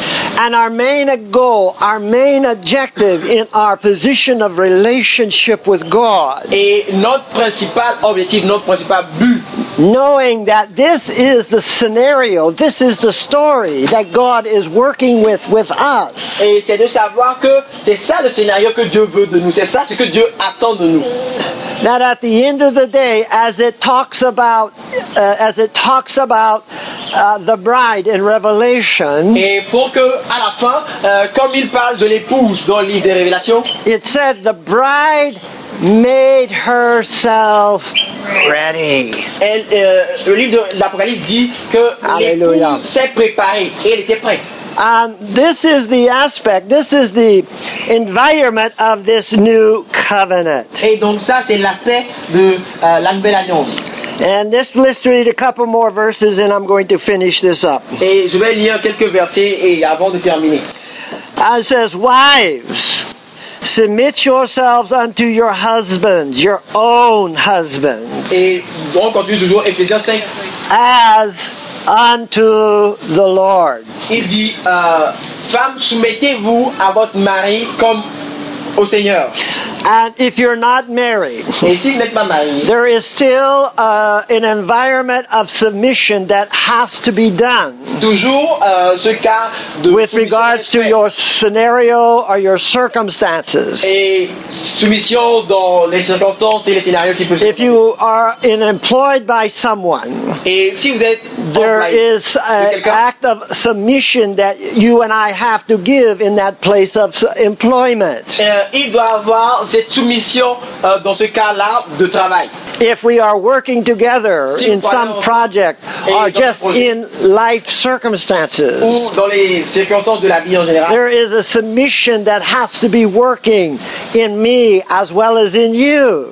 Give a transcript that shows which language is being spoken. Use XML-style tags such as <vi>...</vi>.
<en>And our main goal, our main objective in our position of relationship with God.</en> <fr>Et notre principal objectif, notre principal but.</fr> <en>Knowing that this is the scenario, this is the story that God is working with us.</en> <fr>Et c'est de savoir que c'est ça le scénario que Dieu veut de nous. C'est ça ce que Dieu attend de nous.</fr> <en>That at the end of the day, as it talks about, the bride in Revelation.</en> <fr>Et pour que à la fin, comme il parle de l'épouse dans le livre des Révélations.</fr> <en>It said the bride made herself ready.</en> <fr>Elle, le livre de l'Apocalypse dit que Alleluia. L'épouse s'est préparée. Elle était prête.</fr> <en>And this is the aspect, this is the environment of this new covenant.</en> <fr>Et donc ça, c'est l'aspect de la nouvelle alliance.</fr> <en>And let's read a couple more verses and I'm going to finish this up.</en> <fr>Et je vais lire quelques versets et avant de terminer.</fr> <en>It says, wives, submit yourselves unto your husbands, your own husbands.</en> <fr>Et on continue toujours, Ephésiens 5.</fr> <en>As unto the Lord.</en> <fr>Il dit, femmes, soumettez-vous à votre mari comme au Seigneur.</fr> <en>And if you're not married,</en> <fr>et si vous n'êtes pas marié,</fr> <en>there is still an environment of submission that has to be done.</en> <fr>Toujours ce cas de</fr> <en>with regards to your scenario or your circumstances.</en> <fr>Et soumission dans les circonstances et les scénarios qui peuvent.</fr> <en>If you are employed by someone,</en> <fr>et si vous êtes</fr> <en>there is an act of submission that you and I have to give in that place of employment.</en> <fr>Il doit avoir cette soumission dans ce cas-là de travail.</fr> <en>If we are working together</en> <fr>si</fr> <en>in some project or just</en> <fr>projet,</fr> <en>in life circumstances,</en> <fr>ou dans les circonstances de la vie en général,</fr> <en>there is a submission that has to be working in me as well as in you.</en>